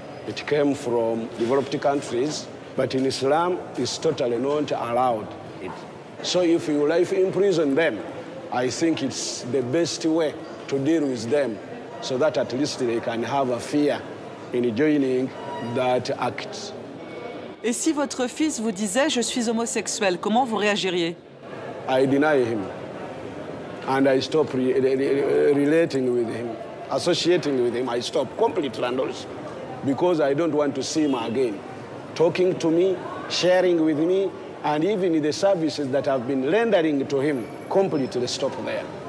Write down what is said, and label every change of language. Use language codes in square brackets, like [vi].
[en] It came from developed countries, but in Islam, it's totally not allowed. So if you life imprison them, I think it's the best way to deal with them so that at least they can have a fear in joining that act. [fr] Et si votre fils vous disait, je suis homosexuel, comment vous réagiriez? [en] I deny him. And I stop relating with him, associating with him. I stop completely and also because I don't want to see him again. Talking to me, sharing with me, and even the services that I've been rendering to him completely stop there.